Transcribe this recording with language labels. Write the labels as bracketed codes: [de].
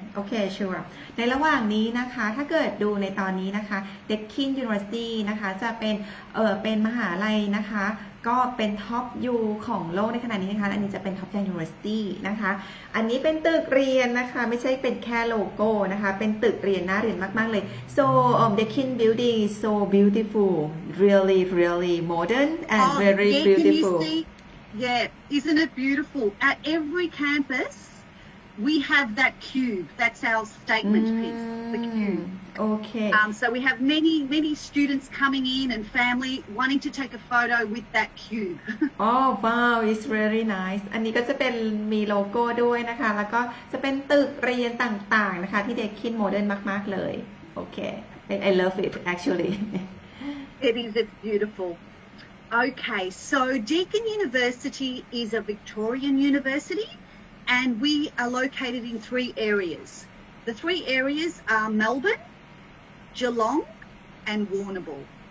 [en] Okay, sure. [th] ในระหว่างนี้นะคะถ้าเกิดดูในตอนนี้นะคะ Deakin University นะคะจะเป็นมหาลัยนะคะก็เป็นท็อปยูของโลกในขณะนี้นะคะอันนี้จะเป็นท็อปยูนิเวอร์ซิตี้นะคะอันนี้เป็นตึกเรียนนะคะไม่ใช่เป็นแค่โลโก้นะคะเป็นตึกเรียนน่าเรียนมากๆเลย [en] So Deakin building so beautiful. Really, really modern and very beautiful. Yeah, isn't it beautiful? At every campus, we have that cube. That's our statement piece, the cube. Okay. So we have many, many students coming in and family wanting to take a photo with that cube. Oh, wow. It's really nice. [th] อันนี้ก็จะเป็นมีโลโก้ด้วยนะคะแล้วก็จะเป็นตึกเรียนต่างๆนะคะที่เด็กคิดโมเดิร์นมากๆเลย Okay. [en] I love it, actually. It is. It's beautiful. Okay, so Deakin University is a Victorian university and we are located in three areas. The three areas are Melbourne, Geelong and Warrnambool.